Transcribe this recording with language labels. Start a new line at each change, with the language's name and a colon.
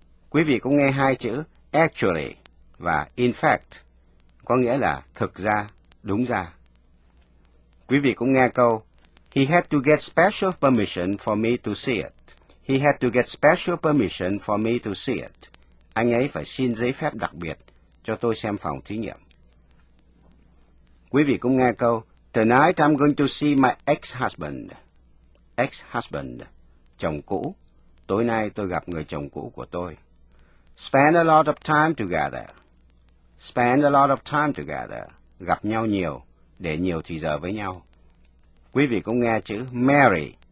Vietnamese: Quý vị cũng nghe hai chữ actually và in fact, có nghĩa là thực ra, đúng ra. Quý vị cũng nghe câu,
English: he had to get special permission for me to see it. He had to get special permission for me to see it.
Vietnamese: Anh ấy phải xin giấy phép đặc biệt cho tôi xem phòng thí nghiệm. Quý vị cũng nghe câu,
English: tonight I'm going to see my ex-husband.
Vietnamese: Ex-husband, chồng cũ. Tối nay tôi gặp người chồng cũ của tôi.
English: Spend a lot of time together. Spend a lot of time together.
Vietnamese: Gặp nhau nhiều, để nhiều thì giờ với nhau. Quý vị cũng nghe chữ marry.